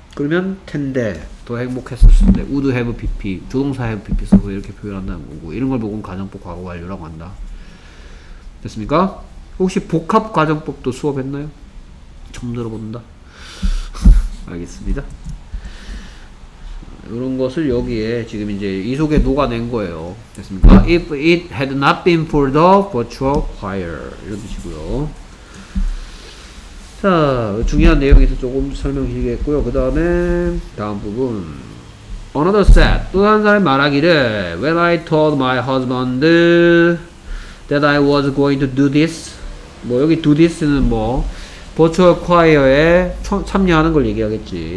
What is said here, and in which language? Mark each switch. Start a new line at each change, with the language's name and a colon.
Korean: 그러면 텐데. 더 행복했었는데 would have pp, 조동사 have pp 써서 이렇게 표현한다는 거고, 이런 걸 보고는 가정법 과거 완료라고 한다. 됐습니까? 혹시 복합과정법도 수업했나요? 처음 들어본다. 알겠습니다. 이런 것을 여기에 지금 이제 이 속에 녹아낸 거예요. 됐습니까?
English: If it had not been for the virtual choir.
Korean: 이런 뜻이고요. 자, 중요한 내용에서 조금 설명해드리겠고요. 그 다음에 다음 부분.
English: Another said,
Korean: 또 다른 사람이 말하기를
English: When I told my husband that I was going to do this
Korean: 뭐 여기 do this는 뭐 버추얼 콰이어에 참여하는 걸 얘기하겠지.